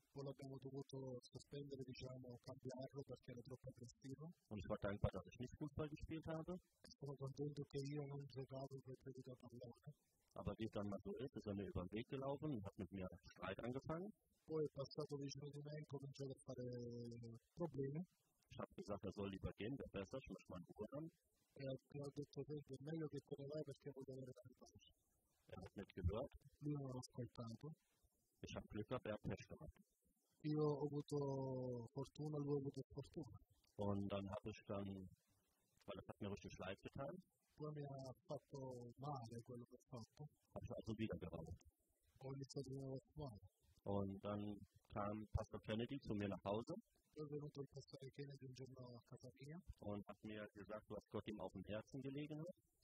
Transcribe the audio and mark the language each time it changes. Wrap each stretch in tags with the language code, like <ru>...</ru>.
<de>Und ich war dankbar, dass ich nicht Fußball gespielt habe. Aber wie es dann mal so ist, ist er mir über den Weg gelaufen und hat mit mir Streit angefangen. Ich habe gesagt, er soll lieber gehen, wäre besser, ich muss mal in Ruhe haben.</de> <it>E ha detto sempre, meglio che te ne vai perché voglio avere tanto.</it> <de>Er hat nicht gehört.</de> <it>Lui non ha ascoltato.</it> <de>Ich habe Glück gehabt, er hat Pech gehabt.</de> <it>Io ho avuto fortuna, lui ha avuto fortuna.</it> <de>Und dann habe ich dann, weil das hat mir richtig leid getan.</de> <it>Poi mi ha fatto male quello che ho fatto.</it> <de>Habe ich also wieder geraucht.</de> <it>Ho iniziato a fumare.</it> <de>Und dann kam Pastor Kennedy zu mir nach Hause. Und hat mir gesagt, was Gott ihm auf dem Herzen gelegen hat.</de>